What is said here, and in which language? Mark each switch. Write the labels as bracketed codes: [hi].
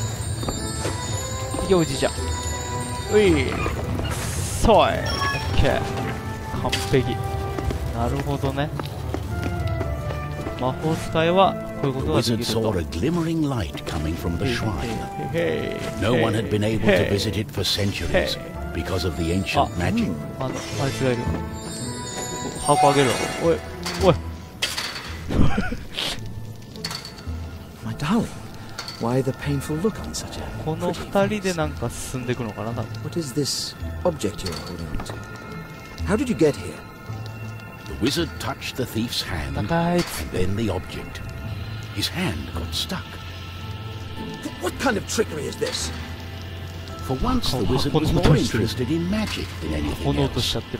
[ja] ういー。いけ、おじいちゃん。うい。そい。オッケー。完璧。なるほどね。魔法使いは、こういうことができると。 [en] The wizard saw a glimmering light coming from the shrine. No one had been able to visit it for centuries because of the ancient magic. [ja] あ、あ、あいつがいる。箱あげるわ。おい。 [en] My darling, why the painful look on such a [ja] この二人でなんか進んでいくのかな。 [en] What is this object you're holding onto? How did you get here? The wizard touched the thief's hand, and then the object. His hand got stuck. What kind of trickery is this? For once, the wizard was more interested in magic than anything else.